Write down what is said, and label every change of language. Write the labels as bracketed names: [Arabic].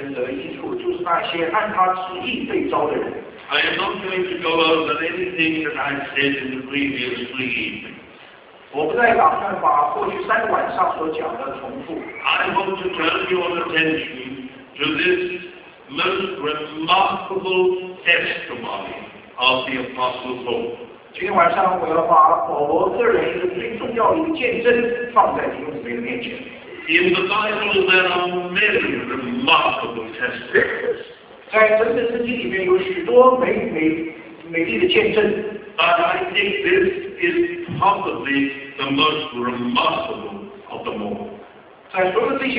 [English] I am not going to go over anything that I've said in the previous 3 evenings. I want to turn your attention to this most remarkable testimony of the Apostle Paul. [Chinese] 今天晚上我要把保罗个人一个最重要的一个见证放在弟兄姊妹的面前。 [English] In the Bible there are many remarkable testimonies. [Chinese] 在整本圣经里面有许多美丽的见证。 [English] But I think this is probably the most remarkable of them all.